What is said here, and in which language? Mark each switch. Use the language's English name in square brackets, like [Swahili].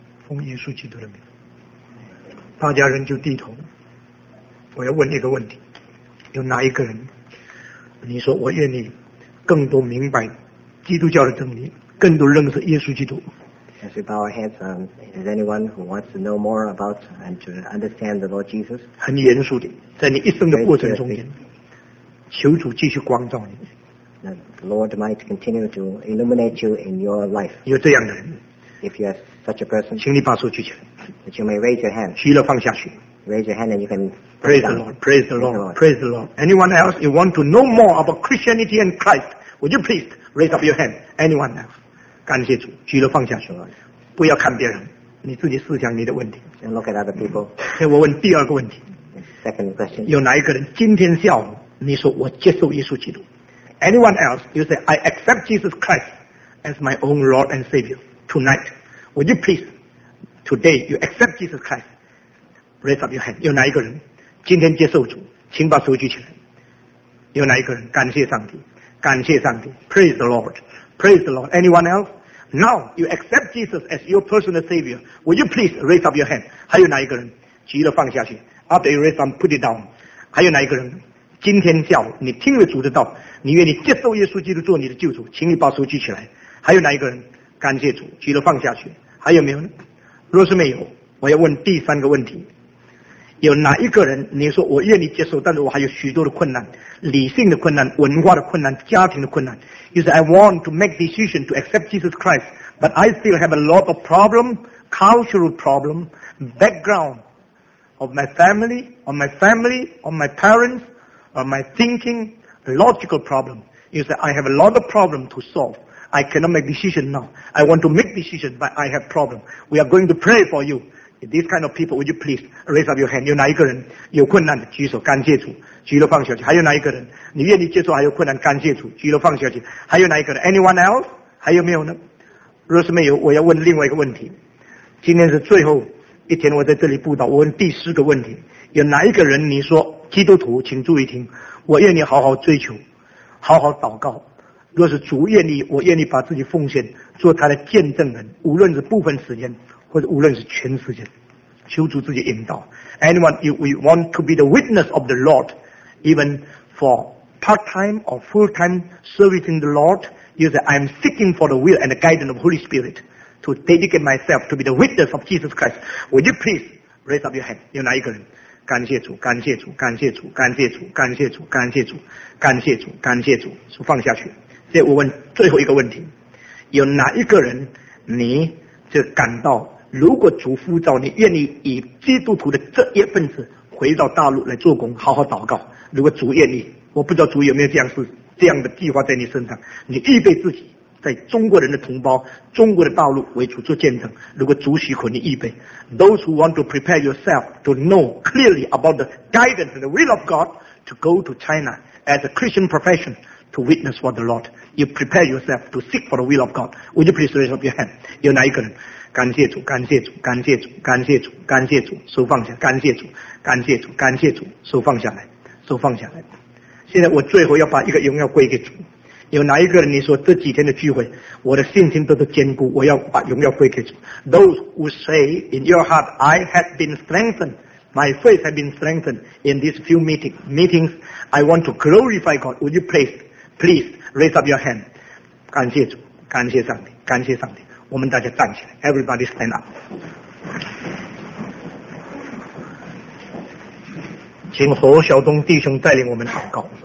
[Chinese] 奉耶稣基督的名。大家人就低头。我要问一个问题，有哪一个人你说我愿意更多明白基督教的真理，更多认识耶稣基督？ [English] As we bow our heads, is anyone who wants to know more about and to understand the Lord Jesus? [Chinese] 很严肃的，在你一生的过程中间，求主继续光照你。 [English] The Lord might continue to illuminate you in your life. [Chinese] 有这样的人。 [English] If you have such a person, [Chinese] 请你把手举起来。 [English] That you may raise your hand. [Chinese] 举了放下去。 [English] Raise your hand and you can praise the Lord. Praise the Lord. Praise the Lord. Anyone else you want to know more about Christianity and Christ? Would you please raise up your hand? Anyone else? [Chinese] 感谢主，举了放下去了。不要看别人，你自己思想你的问题。 [English] And look at other people. [Chinese] 给我问第二个问题。 [English] Second question. [Chinese] 有哪一个人今天下午你说我接受耶稣基督？ [English] Anyone else? You say I accept Jesus Christ as my own Lord and Savior tonight. Would you please today you accept Jesus Christ? Raise up your hand. [Chinese] 有哪一个人今天接受主，请把手举起来。有哪一个人？感谢上帝，感谢上帝。 [English] Praise the Lord. Praise the Lord. Anyone else? Now you accept Jesus as your personal Savior. Will you please raise up your hand? [Chinese] 还有哪一个人？举了放下去。 [English] After you raise up, put it down. [Chinese] 还有哪一个人？今天下午你听了主的道，你愿意接受耶稣基督做你的救主，请你把手举起来。还有哪一个人？感谢主，举了放下去。还有没有呢？若是没有，我要问第三个问题。有哪一个人你说我愿意接受，但是我还有许多的困难，理性的困难，文化的困难，家庭的困难。 [English] You say I want to make decision to accept Jesus Christ, but I still have a lot of problem, cultural problem, background of my family, or my family, or my parents, or my thinking, logical problem. You say I have a lot of problem to solve. I cannot make decision now. I want to make decision, but I have problem. We are going to pray for you. These kind of people, would you please raise up your hand? [Chinese] 有哪一个人有困难的举手？感谢主，举了放下去。还有哪一个人？你愿意接受还有困难？感谢主，举了放下去。还有哪一个人 ？ [English] Anyone else? [Chinese] 还有没有呢？若是没有，我要问另外一个问题。今天是最后一天，我在这里布道。我问第四个问题：有哪一个人？你说基督徒，请注意听。我愿意好好追求，好好祷告。若是主愿意，我愿意把自己奉献，做他的见证人，无论是部分时间。或者无论是全世界，求主自己引导。 [English] Anyone, if we want to be the witness of the Lord, even for part-time or full-time serving the Lord, you say, I am seeking for the will and the guidance of Holy Spirit to dedicate myself to be the witness of Jesus Christ. Would you please raise up your hand? [Chinese] 有哪一个人？感谢主，感谢主，感谢主，感谢主，感谢主，感谢主，感谢主，感谢主，说放下去。所以我问最后一个问题，有哪一个人你就感到如果主呼召你愿意以基督徒的这一份子回到大陆来做工好好祷告，如果主愿意，我不知道主有没有这样事，这样的计划在你身上，你预备自己在中国人的同胞中国的大陆为主做见证，如果主许可你预备。 [English] Those who want to prepare yourself to know clearly about the guidance and the will of God to go to China as a Christian profession to witness for the Lord. You prepare yourself to seek for the will of God. Would you please raise up your hand? [Chinese] 有哪一个人？感谢主，感谢主，感谢主，感谢主，感谢主，手放下，感谢主，感谢主，感谢主，手放下来，手放下来。现在我最后要把一个荣耀归给主。有哪一个人你说这几天的聚会，我的信心都是坚固，我要把荣耀归给主。 [English] Those who say in your heart, I have been strengthened, my faith has been strengthened in these few meetings, I want to glorify God. Would you please? Raise up your hand. [Chinese] 感谢主，感谢上帝，感谢上帝。我们大家站起来。 [English] Everybody stand up. [Chinese] 请何小东弟兄带领我们祷告。